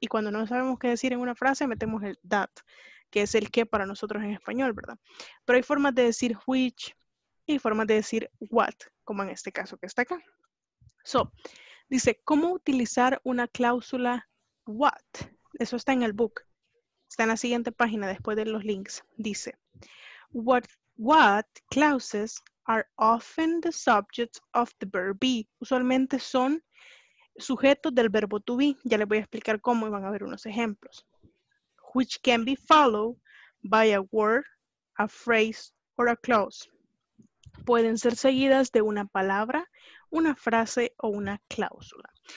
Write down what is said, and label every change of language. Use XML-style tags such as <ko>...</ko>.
<es>Y cuando no sabemos qué decir en una frase, metemos el that, que es el qué para nosotros en español, ¿verdad? Pero hay formas de decir which y formas de decir what, como en este caso que está acá. So, dice, ¿cómo utilizar una cláusula what? Eso está en el book. Está en la siguiente página, después de los links.</es> <en>Dice, what clauses are often the subjects of the verb be.</en> <es>Usualmente son sujetos del verbo to be. Ya les voy a explicar cómo y van a ver unos ejemplos.</es> <en>Which can be followed by a word, a phrase, or a clause.</en> <es>Pueden ser seguidas de una palabra, una frase o una cláusula.</es>